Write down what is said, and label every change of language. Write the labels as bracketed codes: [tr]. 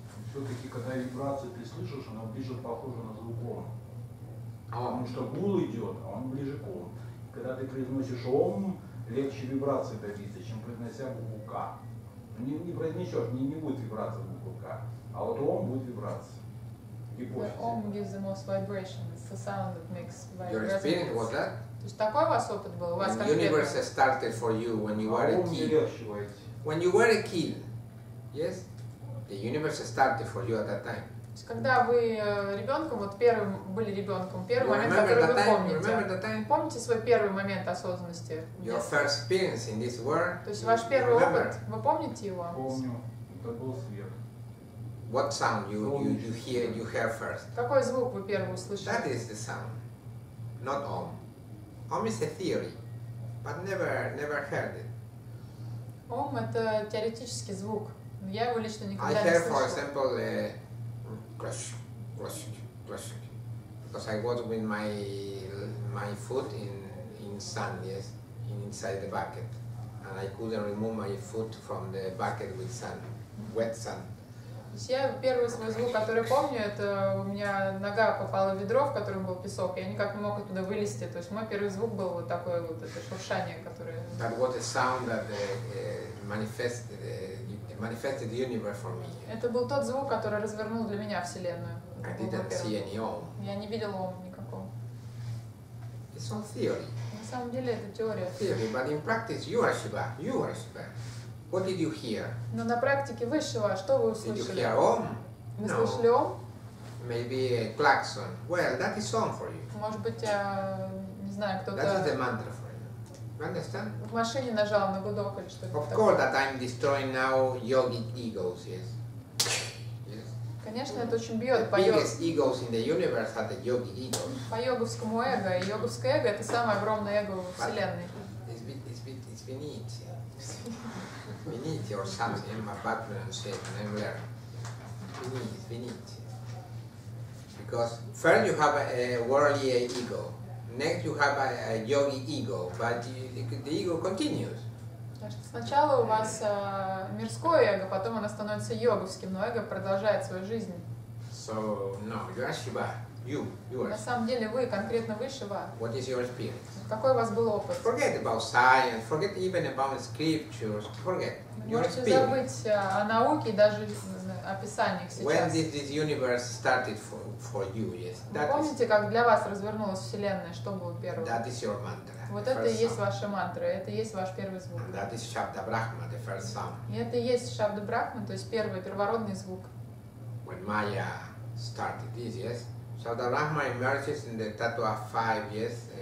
[ru] Все-таки, когда вибрацию ты слышишь, оно ближе похоже на звук. Потому что гул идет, а он ближе к ом. Когда ты произносишь ом, легче вибрации добиться, чем произнося букву К. Не произнесешь, не будет вибрация буквы К, а вот ом будет вибрация. И больше. [en] Ом gives the most vibration, it's the sound that makes vibration. Your experience was that? [ru] То есть такой у вас опыт был? У вас как-то... [en] Universe started for you when you were a kid. [ru] Ом легче войти. [en] When you were a kid, yes? The universe started for you at that time. [ru] Когда вы ребенком, вот первым были ребенком, первый момент, который вы помните, помните свой первый момент осознанности? [en] Your first experience in this world. [ru] То есть ваш первый опыт, вы помните его? Помню. Это был свет. [en] What sound you hear, you heard first? [ru] Какой звук вы первым услышали? [en] That is the sound, not Om. Om is a theory, but never heard it. [ru] Om — это теоретический звук. Я его лично никогда не слышал. [en] I heard, for example, crush, because I was with my foot in sand, yes, inside the bucket, and I couldn't remove my foot from the bucket with sand, wet sand. [ru] Я первый свой звук, который помню, это у меня нога попала в ведро, в котором был песок, я никак не мог оттуда вылезти. То есть мой первый звук был вот такой вот, это шуршание, которое. [en] That was a sound that manifested. Manifested the universe for me. [ru] Это был тот звук, который развернул для меня Вселенную. [en] I didn't see any ohm. [ru] Я не видел ohm никакого. [en] It's all theory. [ru] На самом деле это теория. [en] Theory, but in practice you are Shiva. You are Shiva. What did you hear? [ru] Но на практике Высшего, что вы услышали? [en] Did you hear ohm? [ru] Вы слышали ohm? [en] Maybe a klaxon. Well, that is ohm for you. [ru] Может быть, не знаю, кто-то... [en] That is the mantra for you. You understand? [ru] В машине нажал на гудок или что-то. [en] Of course that I'm destroying now yogic egos, yes. [ru] Конечно, это очень бьет по йогам. [en] The biggest egos in the universe are the yogic egos. [ru] По йоговскому эго. И йоговское эго — это самое огромное эго во Вселенной. [en] It's Vinity. Vinity or something. I'm a Batman and shit. I'm there. Vinity. Because first you have a worldly ego. Next you have a yogi ego, but the ego continues. [ru] Сначала у вас мирское эго, потом оно становится йоговским, но эго продолжает свою жизнь. [en] So, no, you are Shiva. You are. [ru] На самом деле вы конкретно Вышива. [en] What is your experience? [ru] Какой у вас был опыт? [en] Forget about science, forget even about scriptures, forget. [ru] Можете забыть о науке и даже о писаниях сейчас. [en] When did this universe started for you, yes? That [ru] помните, как для вас развернулась Вселенная, что было первым? [en] That is your mantra. [ru] Вот это и есть ваша мантра, это и есть ваш первый звук. [en] And that is Шабда Брахма, the first sound. [ru] И это и есть Шабда Брахма, то есть первый, первородный звук. [en] When Maya started this, yes? Шабда Брахма emerges in the Tattva 5, yes?